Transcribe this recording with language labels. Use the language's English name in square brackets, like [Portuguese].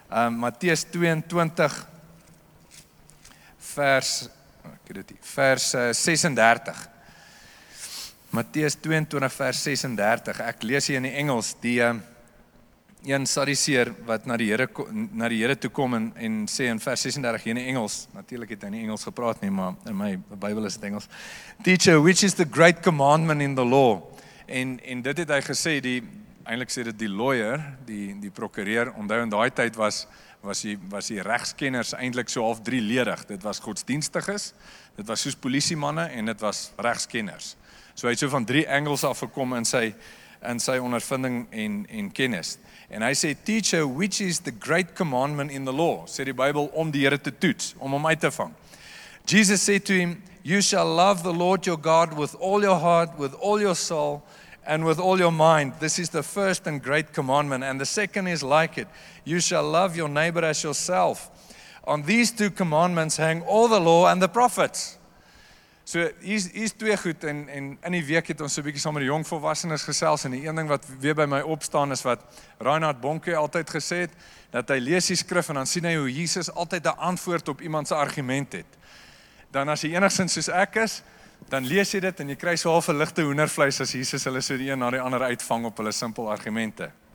[Afrikaans] Matteus 22 vers 36. Matteus 22 vers 36. Ek lees hier in die Engels die een Sadduseer wat na die Here toe kom en sê in vers 36 hier in die Engels. Natuurlik het hy nie Engels gepraat nie, maar in my Bybel is dit Engels. [English] Teacher, which is the great commandment in the law? [Afrikaans] En dit het hy gesê, eintlik sê dit die lawyer, die prokureur, onthou in daai tyd was die regskenners eintlik so half 3-ledig. Dit was godsdienstiges, dit was soos polisiemanne en dit was regskenners. So hy het so van 3 angles af gekom in sy ondervinding en kennis. En hy sê, [English] teacher, which is the great commandment in the law? [Afrikaans] Sê die Bybel, om die Here te toets, om hom uit te vang. [English] Jesus said to him, you shall love the Lord your God with all your heart, with all your soul, and with all your mind. This is the first and great commandment. And the second is like it. You shall love your neighbor as yourself. On these 2 commandments hang all the law and the prophets. [Afrikaans] So hier's 2 goed. En in die week het ons so 'n bietjie saam met die jong volwassenes gesels. En die een ding wat weer by my opstaan is wat Reinhard Bonnke altyd gesê het. Dat hy lees die skrif en dan sien hy hoe Jesus altyd 'n antwoord op iemand se argument het. Dan as hy enigszins soos ek is, dan lees jy dit en jy kry so half 'n ligte hoendervleis as Jesus hulle so die een na die ander uitvang op hulle simpel argumente.